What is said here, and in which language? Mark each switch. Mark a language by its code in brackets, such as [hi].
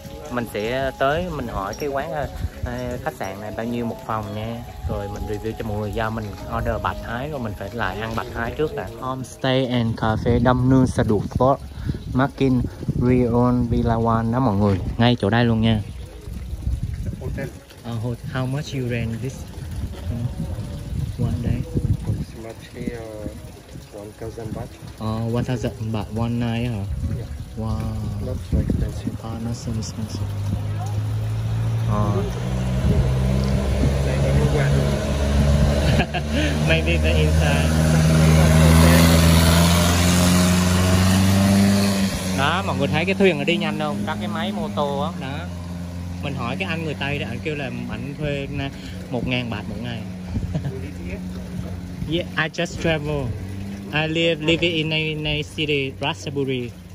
[vi] Mình sẽ tới mình hỏi cái quán khách sạn này bao nhiêu một phòng nha, rồi mình review cho mọi người, do mình order bạch thái rồi mình phải lại ăn bạch thái trước. Là Homestay and Cafe Dam Nu Saduk Fort Makin Rion Villa One đó mọi người, ngay chỗ đây luôn nha. [en] Hotel. How much you rent this one day? Approximately 1,000 baht. 1,000 baht one night, huh? Yeah. Wow. Not so expensive. Not so expensive. Maybe the inside. [vi] Đó, mọi người thấy cái thuyền nó đi nhanh không? Các cái máy mô tô á, đó. Mình hỏi cái anh người Tây đó, anh kêu là anh thuê 1000 baht một ngày. [en] Yeah, I just travel. I live in a city, Ratchaburi.